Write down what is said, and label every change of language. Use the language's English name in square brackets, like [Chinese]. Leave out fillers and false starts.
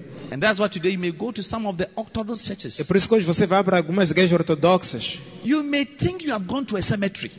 [English] And that's why today you may go to some of the orthodox churches. [Portuguese] É por isso que hoje você vai para algumas igrejas ortodoxas. [English] You may think you have gone to a cemetery.